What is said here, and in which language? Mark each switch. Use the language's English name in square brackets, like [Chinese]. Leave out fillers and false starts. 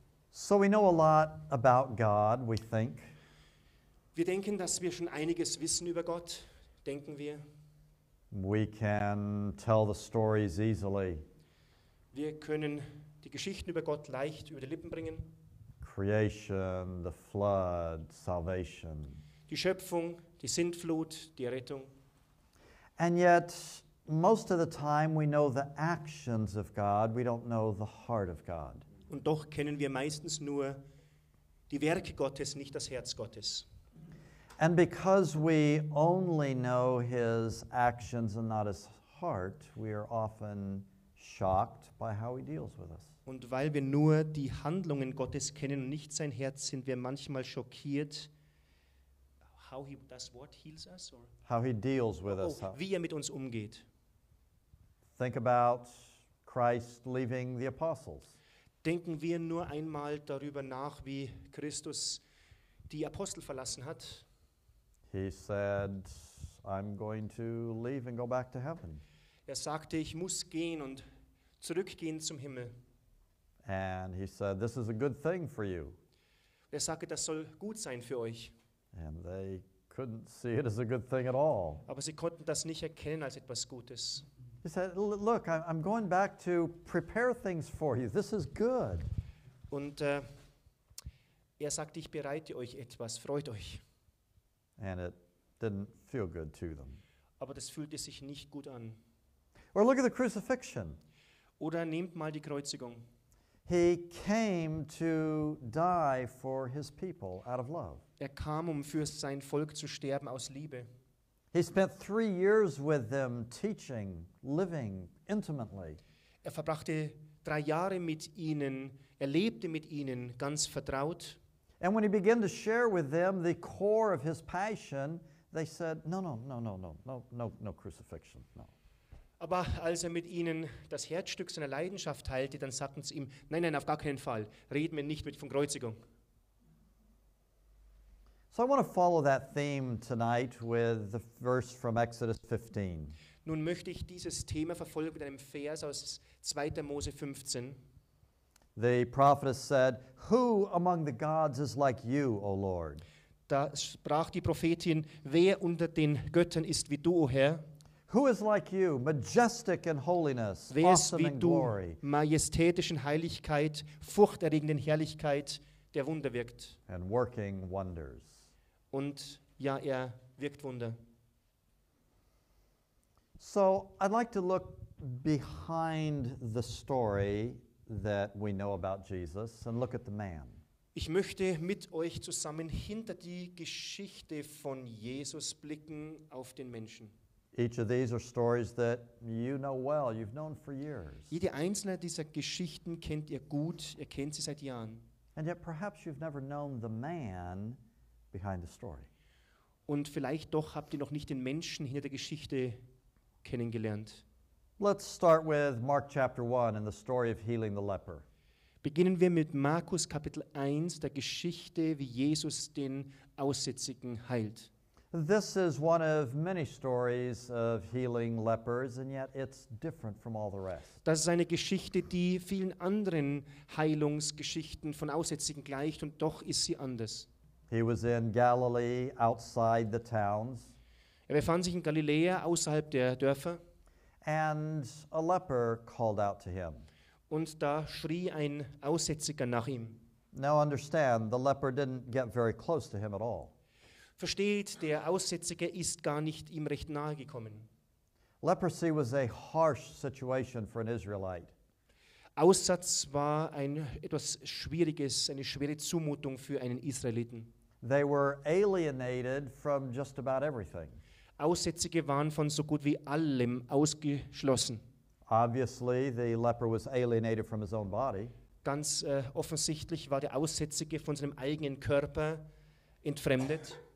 [English] So we know a lot about God, we think. [German] Wir denken, dass wir schon einiges wissen über Gott, denken wir. [English] We can tell the stories easily. [German] Wir können die Geschichten über Gott leicht über die Lippen bringen. [English] Creation, the flood, salvation. [German] Die Schöpfung, die Sintflut, die Errettung. [English] And yet, most of the time we know the actions of God, we don't know the heart of God. [German] Und doch kennen wir meistens nur die Werke Gottes, nicht das Herz Gottes. [English] And because we only know his actions and not his heart, we are often shocked by how he deals with us. [German] Und weil wir nur die Handlungen Gottes kennen und nicht sein Herz, sind wir manchmal schockiert, [English] how he does what heals us, or how he deals with us, [German] wie er mit uns umgeht. [English] Think about Christ leaving the apostles. [German] Denken wir nur einmal darüber nach, wie Christus die Apostel verlassen hat. [English] He said, I'm going to leave and go back to heaven. [German] Er sagte, ich muss gehen und zurückgehen zum Himmel. [English] And he said, this is a good thing for you. [German] Er sagte, das soll gut sein für euch. [English] And they couldn't see it as a good thing at all. [German] Aber sie konnten das nicht erkennen als etwas Gutes. [English] He said, look, I'm going back to prepare things for you. This is good. [German] Und er sagte, ich bereite euch etwas, freut euch. [English] And it didn't feel good to them. [German] Aber das fühlte sich nicht gut an. [English] Or look at the crucifixion. [German] Oder nehmt mal die Kreuzigung. [English] He came to die for his people out of love. [German] Er kam, um für sein Volk zu sterben aus Liebe. [English] He spent 3 years with them teaching, living intimately. [German] Er verbrachte 3 Jahre mit ihnen, er lebte mit ihnen ganz vertraut. [English] And when he began to share with them the core of his passion, they said, no crucifixion, no. [German] Aber als er mit ihnen das Herzstück seiner Leidenschaft teilte, dann sagten sie ihm, nein, auf gar keinen Fall, reden wir nicht mit von Kreuzigung. [English] So I want to follow that theme tonight with the verse from Exodus 15. [German] Nun möchte ich dieses Thema verfolgen mit einem Vers aus 2. Mose 15. [English] The prophetess said, who among the gods is like you, O Lord? [German] Da sprach die Prophetin, wer unter den Göttern ist wie du, O Herr? [English] Who is like you, majestic in holiness, awesome in glory? [German] Majestätisch in Heiligkeit, furchterregend in Herrlichkeit, der Wunder wirkt. [English] And working wonders. [German] Und ja, er wirkt Wunder. [English] So, I'd like to look behind the story that we know about Jesus and look at the man. [German] Ich möchte mit euch zusammen hinter die Geschichte von Jesus blicken auf den Menschen. [English] Each of these are stories that you know well, you've known for years. [German] Jede einzelne dieser Geschichten kennt ihr gut, ihr kennt sie seit Jahren. [English] And yet perhaps you've never known the man behind the story. [German] Und vielleicht doch habt ihr noch nicht den Menschen hinter der Geschichte kennengelernt. [English] Let's start with Mark chapter 1 and the story of healing the leper. [German] Beginnen wir mit Markus Kapitel 1, der Geschichte, wie Jesus den Aussätzigen heilt. [English] This is one of many stories of healing lepers, and yet it's different from all the rest. [German] Das ist eine Geschichte, die vielen anderen Heilungsgeschichten von Aussätzigen gleicht, und doch ist sie anders. [English] He was in Galilee, outside the towns. [German] Er befand sich in Galiläa, außerhalb der Dörfer. [English] And a leper called out to him. [German] Und da schrie ein Aussätziger nach ihm. [English] Now understand, the leper didn't get very close to him at all. [German] Versteht, der Aussätzige ist gar nicht ihm recht nahe gekommen. [English] Leprosy was a harsh situation for an Israelite. [German] Aussatz war ein etwas Schwieriges, eine schwere Zumutung für einen Israeliten. [English] They were alienated from just about everything. [German] Aussätzige waren von so gut wie allem ausgeschlossen. [English] Obviously, the leper was alienated from his own body. [German] Ganz offensichtlich war der Aussätzige von seinem eigenen Körper entfremdet.